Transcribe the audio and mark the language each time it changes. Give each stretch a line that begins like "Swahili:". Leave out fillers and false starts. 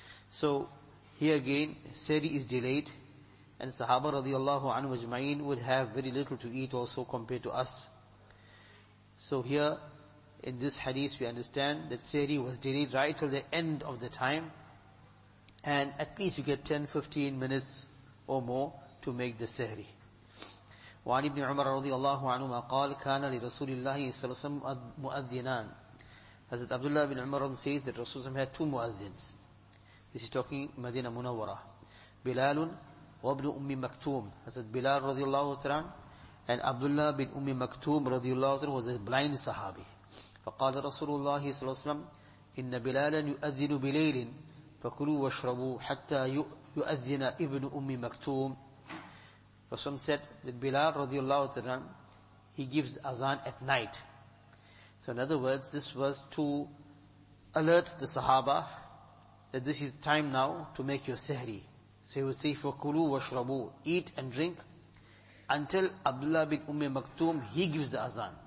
English: So here again, sihri is delayed, and Sahaba radiallahu anhu ajma'in would have very little to eat also compared to us. So here in this hadith we understand that sihri was delayed right till the end of the time, and at least you get 10-15 minutes or more to make the sihri.
Arabic: وعن ابن عمر رضي الله عنهما قال كان لرسول الله صلى الله عليه وسلم مؤذنان.
English: حضرت عبد الله بن عمر says that Rasul Sam had two muadhins. This is talking Madina Munawwara. بلال وابن أم مكتوم. حضرت بلال رضي الله تعالى and عبد الله بن أم مكتوم رضي الله تعالى was a blind صحابي.
Arabic: فقال رسول الله صلى الله عليه وسلم إن بلالا يؤذن بليل فكلوا واشربوا حتى يؤذن ابن أم مكتوم.
English: Rasulullah said that Bilal radiallahu ta'ala, he gives azan at night. So in other words, this was to alert the Sahaba that this is time now to make your sihri. So he would say, فَكُلُوا وَشْرَبُوا, eat and drink until Abdullah bin Ummi Maktoum, he gives the azan.